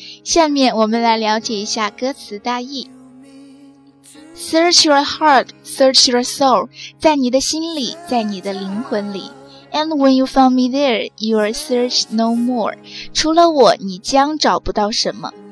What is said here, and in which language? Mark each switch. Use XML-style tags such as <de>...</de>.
<zh>下面我们来了解一下歌词大意。</zh> <en>Search your heart, search your soul.</en> <zh>在你的心里，在你的灵魂里。</zh> <en>And when you found me there, you'll search no more.</en> <zh>除了我，你将找不到什么。</zh>